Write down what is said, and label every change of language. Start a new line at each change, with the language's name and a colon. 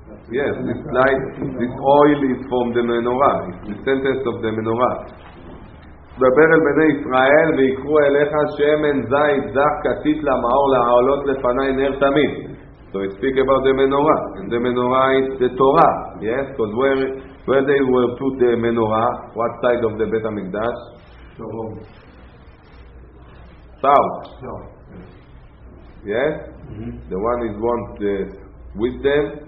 English: Yes, this light, this oil is from the menorah. It's the sentence of the menorah.
Hebrew: דבר אל בני ישראל ויקחו אליך שמן זית זך כתית למאור להעלות לפני נר תמיד.
English: So it speak about the menorah. And the menorah is the Torah. Yes, because where they were put the menorah? What side of the Bet HaMikdash? South. Yes? The one is want the wisdom.